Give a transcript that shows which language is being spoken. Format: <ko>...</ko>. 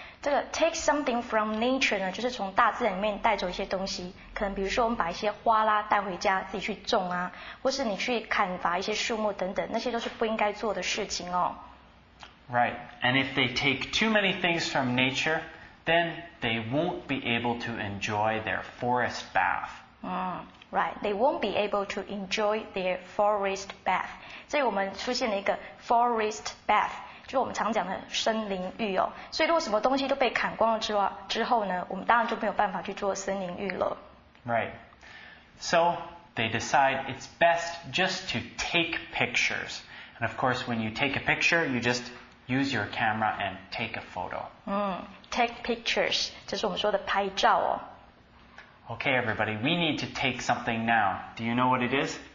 <zh>这个</zh> <en>take something from nature</en> <zh>呢，就是从大自然里面带走一些东西，可能比如说我们把一些花啦带回家自己去种啊，或是你去砍伐一些树木等等，那些都是不应该做的事情哦。</zh> <en>Right, and if they take too many things from nature, then they won't be able to enjoy their forest bath. Right, they won't be able to enjoy their forest bath.</en> <zh>这里我们出现了一个 forest bath. 就我们常讲的森林浴哦，所以如果什么东西都被砍光了之后呢，我们当然就没有办法去做森林浴了。</zh> <en>Right. So they decide it's best just to take pictures. And of course, when you take a picture, you just use your camera and take a photo. Take pictures</en> <zh>就是我们说的拍照哦。</zh> <en>Okay, everybody, we need to take something now. Do you know what it is?</en>